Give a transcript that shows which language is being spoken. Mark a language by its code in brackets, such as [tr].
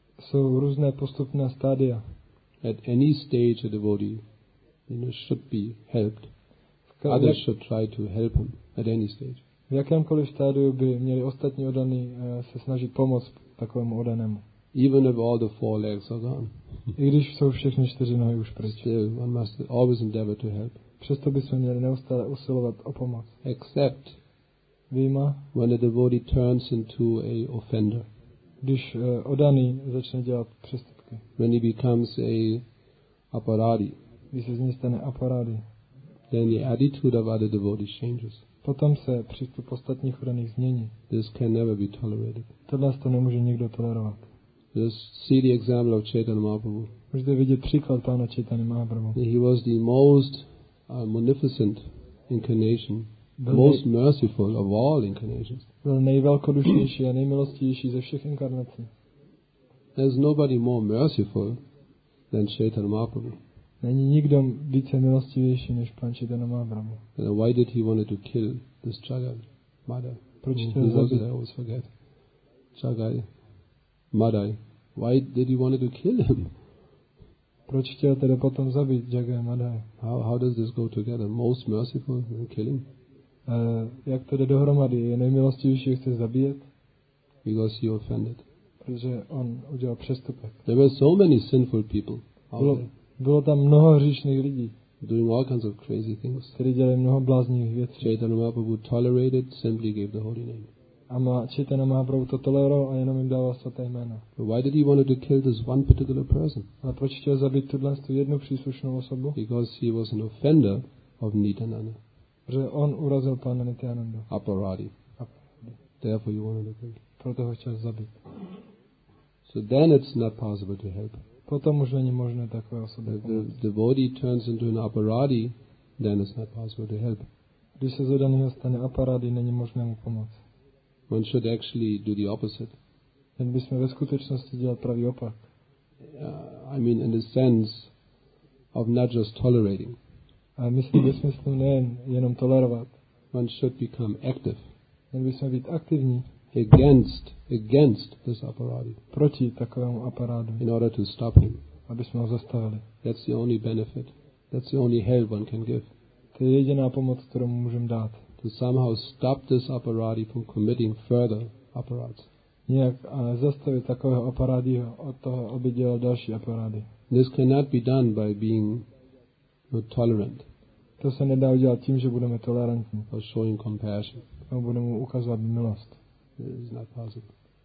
[cs] So různé postupné stádia. [en] At any stage a devotee, you know, should be helped. Others should try to help him at any stage. [cs] V jakémkoliv stádiu by měli ostatní odaní se snažit pomoct takovému odanému. [en] Even if all the four legs are gone. [cs] I když jsou všechny čtyři nohy už pryč. [en] Still, one must always endeavor to help. [cs] Přesto bychom měli neustále usilovat o pomoc. [en] Except Vima, when a devotee turns into a offender. [cs] Když odaný začne dělat přestupky. [en] When he becomes a aparadi. [cs] Když se z něj stane aparadi. [en] Then the attitude of other devotees changes. [cs] Potom se přístup ostatních odaných změní. [en] This can never be tolerated. [cs] Tohle to nemůže nikdo tolerovat. [en] Just see the example of Chaitanya Mahaprabhu. [cs] Můžete vidět příklad pána Chaitanya Mahaprabhu. [en] He was the most munificent incarnation. Most merciful of all incarnations. [cs] Byl nejvelkodušnější a nejmilostivější ze všech inkarnací. [en] There's nobody more merciful than Chaitanya Mahaprabhu. [cs] Není nikdo více milostivější než pan Chaitanya Mahaprabhu. [en] Then why did he wanted to kill this Jagamada? [cs] Proč to zabil? [en] I always forget. Jagamada. Why did he wanted to kill him? [cs] Proč chtěl tedy potom zabít Jagamada? [en] How does this go together? Most merciful and killing? [cs] Jak to jde dohromady? Je nejmilostivější, chce zabíjet? [en] Because he offended. [cs] Protože on udělal přestupek. [en] There were so many sinful people. [cs] Bylo tam mnoho hříšných lidí. [en] Doing all kinds of crazy things. [cs] Kteří dělali mnoho bláznivých věcí. [en] Chaitanya Mahaprabhu tolerated, simply gave the holy name. [cs] Chaitanya Mahaprabhu to toleroval a jenom jim dával svaté jméno. [en] Why did he want to kill this one particular person? [cs] A proč chtěl zabít tuto jednu příslušnou osobu? [en] Because he was an offender of Nityananda. [cs] Že on urazil pana Nityananda. [en] Aparadi. Therefore you wanted to kill. [cs] Proto ho chtěl zabít. [en] So then it's not possible to help. [cs] Potom už není možné takové osobě pomoct. [en] If the devotee turns into an aparadi, then it's not possible to help. [cs] Když se zadaného stane aparadi, není možné mu pomoct. [en] One should actually do the opposite. [cs] Jen bychom ve skutečnosti dělali pravý opak. [en] I mean in the sense of not just tolerating. [cs] A myslím, že smyslu nejen jenom tolerovat. [en] One should become active. [cs] Jen bychom být aktivní. [en] Against this aparadi. [cs] Proti takovému aparádu. [en] In order to stop him. [cs] Aby jsme ho zastavili. [en] That's the only benefit. That's the only help one can give. [cs] To je jediná pomoc, kterou můžeme dát. [en] To somehow stop this aparadi from committing further aparads. [cs] Nějak zastavit takového aparádu od toho, aby dělal další aparády. [en] This cannot be done by being tolerant. [cs] To se nedá udělat tím, že budeme tolerantní. [en] Or showing compassion. [cs] A budeme ukazovat milost. [en] It's not possible.